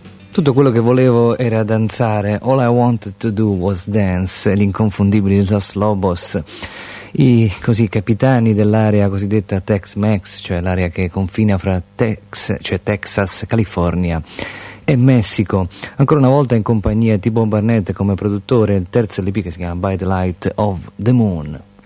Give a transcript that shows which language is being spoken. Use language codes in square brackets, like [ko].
[it] Tutto quello che volevo era danzare. [en] All I wanted to do was dance. [it] L'inconfondibile Los Lobos, i così capitani dell'area cosiddetta Tex-Mex, cioè l'area che confina fra Texas, California e Messico. Ancora una volta in compagnia di T-Bone Burnett come produttore, il terzo LP che si chiama By the Light of the Moon.